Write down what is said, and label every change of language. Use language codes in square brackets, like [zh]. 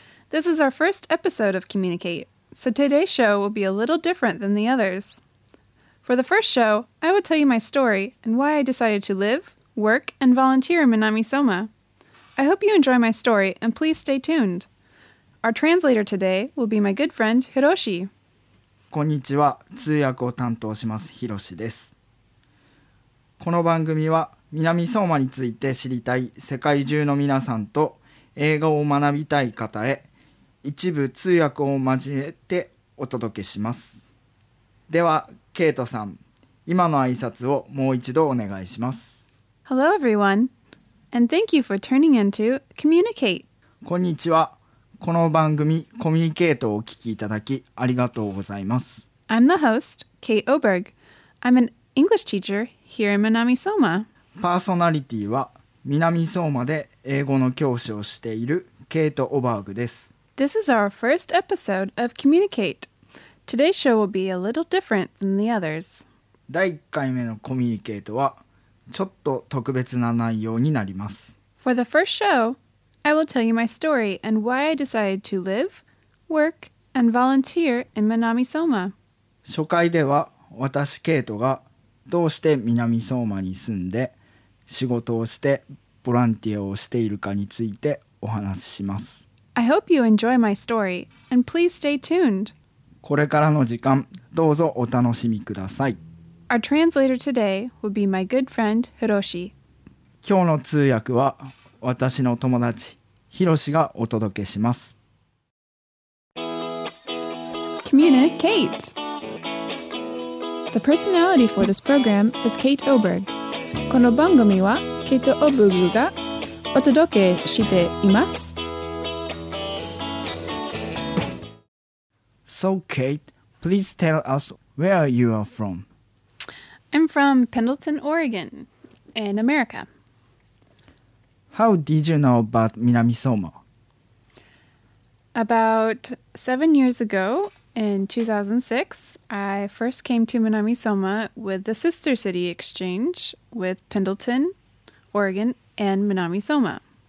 [en] This is our first episode of Communicate, so today's show will be a little different than the others. For the first show, I will tell you my story and why I decided to live, work, and volunteer in Minami-Soma. I hope you enjoy my story, and please stay tuned. Our translator today will be my good friend, Hiroshi. [ja] こんにちは、通訳を担当しますひろしです。この番組は南相馬について知りたい世界中の皆さんと英語を学びたい方へ一部通訳を交えてお届けします。ではケイトさん、今の挨拶をもう一度お願いします。 [en] Hello everyone, and thank you for turning into Communicate. [ja] こんにちは、この番組コミュニケートをお聞きいただきありがとうございます。 [en] I'm the host, Kate Oberg. I'm an English teacher here in Minami-Soma. [ja] パーソナリティは Minami-Soma で英語の教師をしているケイト・オバーグです。 [en] This is our first episode of Communicate. Today's show will be a little different than the others. [ja] 第1回目のコミュニケートはちょっと特別な内容になります。 [en] For the first show,I will tell you my story and why I decided to live, work, and volunteer in Minami-Soma. [ja] 初回では私ケイトがどうして Minami-Soma に住んで仕事をしてボランティアをしているかについてお話しします。 [en] I hope you enjoy my story and please stay tuned. [ja] これからの時間どうぞお楽しみください。 [en] Our translator today will be my good friend Hiroshi. [ja] 今日の通訳は私の友達ヒロシがお届けします。 [en] Communicate. The personality for this program is Kate Oberg. [ja] この番組はケイト・オブグがお届けしています。 [en] So Kate, please tell us where you are from. I'm from Pendleton, Oregon in America How did you know about Minami-Soma? About 7 years ago, in 2006, I first came to Minami-Soma with the sister city exchange with Pendleton, Oregon, and Minami-Soma.